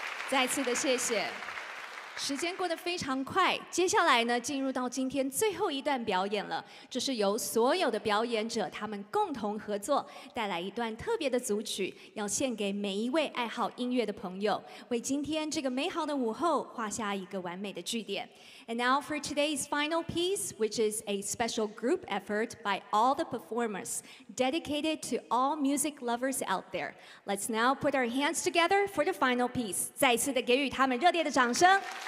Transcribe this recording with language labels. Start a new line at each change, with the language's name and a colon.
Chinese: 再次的谢谢。时间过得非常快，接下来呢，进入到今天最后一段表演了。这是由所有的表演者他们共同合作，带来一段特别的组曲，要献给每一位爱好音乐的朋友，为今天这个美好的午后画下一个完美的句点。
English: And now for today's final piece, which is a special group effort by all the performers, dedicated to all music lovers out there. Let's now put our hands together for the final piece.
Chinese: 再一次的给予他们热烈的掌声。